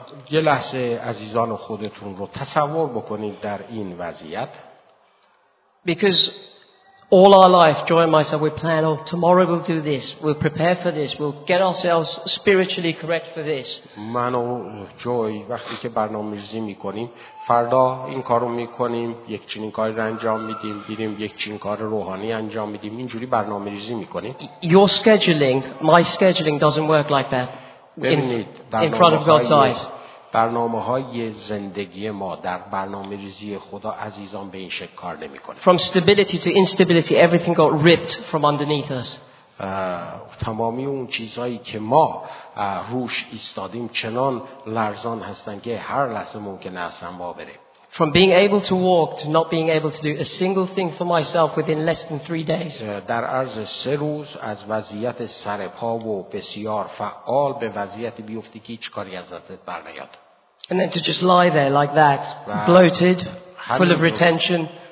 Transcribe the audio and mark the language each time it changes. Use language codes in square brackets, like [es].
[fa] یه لحظه عزیزان خودتون رو تصور بکنید در این وضعیت. [en] Because all our life, Joy and myself, we plan, "Oh, tomorrow we'll do this. We'll prepare for this. We'll get ourselves spiritually correct for this." [fa] من و جوی وقتی که برنامه‌ریزی می‌کنیم، فردا این کارو می‌کنیم، یک چنین کاری رو انجام میدیم، می‌ریم یک چنین کار روحانی انجام میدیم، اینجوری برنامه‌ریزی می‌کنیم. [en] Your scheduling, my scheduling doesn't work like that. In front of God's eyes. [fa] برنامه‌های زندگی ما در برنامه‌ریزی خدا عزیزان به این شکل کار نمی‌کنه. [en] From stability to instability, everything got ripped from underneath us. [fa] تمامی اون چیزایی که ما روش ایستادیم چنان لرزان هستن که هر لحظه ممکنه از هم بره. [en] From being able to walk to not being able to do a single thing for myself within less than 3 days. [fa] در عرض 3 روز از وضعیت سرپا و بسیار فعال به وضعیت بیفتی که هیچ کاری از دستت بر نیاد. [en] And then to just lie there like that, bloated, full of retention.